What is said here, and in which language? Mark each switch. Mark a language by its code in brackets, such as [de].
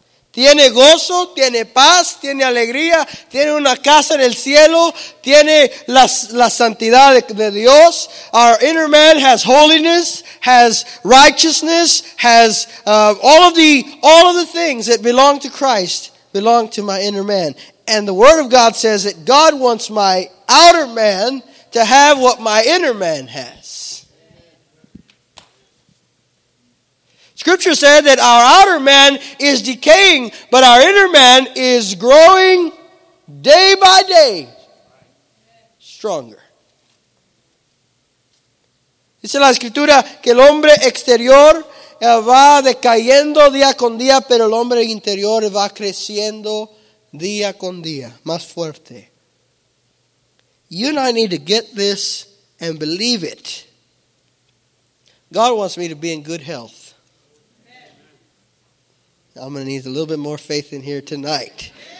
[es] Tiene gozo, tiene paz, tiene alegría, tiene una casa en el cielo, tiene la santidad de Dios. [en] Our inner man has holiness, has righteousness, has all of the things that belong to Christ, belong to my inner man. And the Word of God says that God wants my outer man to have what my inner man has. Scripture said that our outer man is decaying, but our inner man is growing day by day stronger. [es] Dice la Escritura que el hombre exterior va decayendo día con día, pero el hombre interior va creciendo día con día, más fuerte. [en] You and I need to get this and believe it. God wants me to be in good health. I'm going to need a little bit more faith in here tonight.